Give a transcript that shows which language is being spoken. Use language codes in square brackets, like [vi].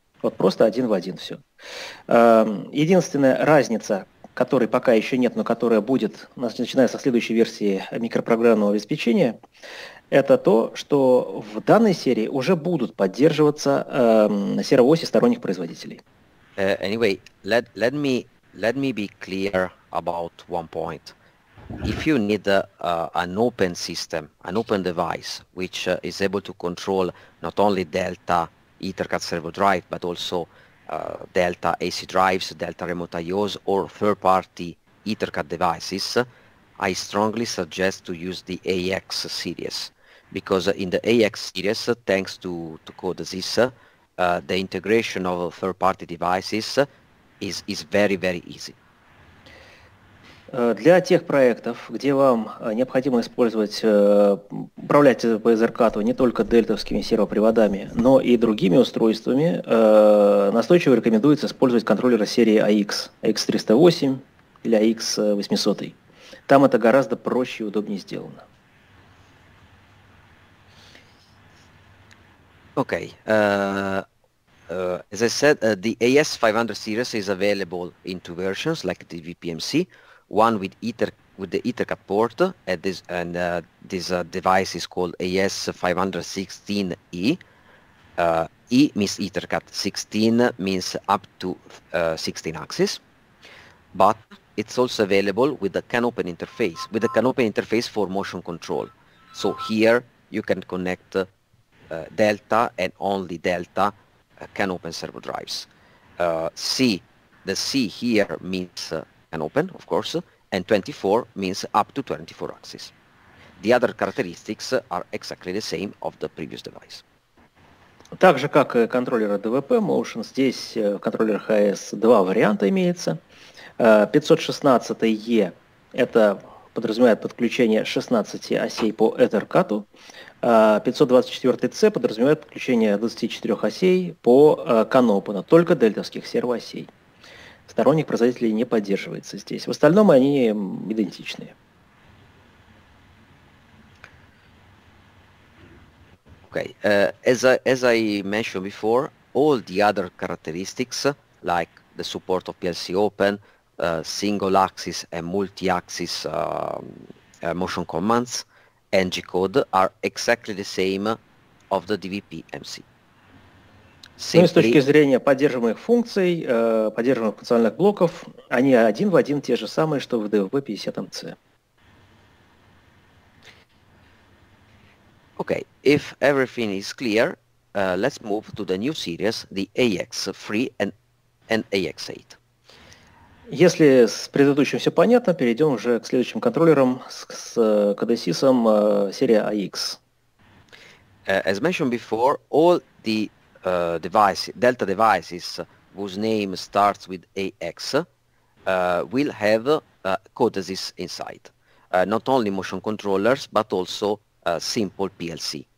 [ru] Вот просто один в один все. Единственная разница, которой пока еще нет, но которая будет, начиная со следующей версии микропрограммного обеспечения, это то, что в данной серии уже будут поддерживаться сервоси сторонних производителей. [en] Anyway, let me be clear about one point. If you need an open system, an open device, which is able to control not only Delta EtherCAT servo drive, but also Delta AC drives, Delta remote IOs, or third-party EtherCAT devices, I strongly suggest to use the AX series. Because in the AX series, thanks to CODESYS, the integration of third-party devices is very, very easy. [ru] Для тех проектов, где вам необходимо управлять по EtherCAT не только дельтовскими сервоприводами, но и другими устройствами, настойчиво рекомендуется использовать контроллеры серии AX, AX308 или AX800. Там это гораздо проще и удобнее сделано. [en] Okay. As I said, the AS500 series is available in two versions, like the DVP-MC, one with the EtherCAT port, this device is called AS516E. E means EtherCAT, 16 means up to 16 axis, but it's also available with the CAN open interface, with the CAN open interface for motion control. So here you can connect Delta and only Delta CAN open servo drives. C here means CAN open, of course, and 24 means up to 24 axis. The other characteristics are exactly the same of the previous device. [ru] Так же, как и контроллеры DVP Motion, здесь в контроллерах AS два варианта имеется. 516E это подразумевает подключение 16 осей по EtherCAT. 524C подразумевает подключение 24 осей по CANOPEN'у, только дельтовских сервоосей. Сторонних производителей не поддерживается здесь. В остальном они идентичные. [en] Okay. As I mentioned before, all the other characteristics, like the support of PLC open, single axis and multi-axis motion commands, and G-code are exactly the same of the DVP-MC. Simply, [ru] ну, с точки зрения поддерживаемых функций, поддерживаемых функциональных блоков, они один в один те же самые, что в DVP-50MC. [en] Okay, if everything is clear, let's move to the new series, the AX3 and AX8. [ru] Если с предыдущим все понятно, перейдем уже к следующим контроллерам с CODESYS серия AX. [en] As mentioned before, all the Delta devices whose name starts with AX will have CODESYS inside. Not only motion controllers, but also simple PLC.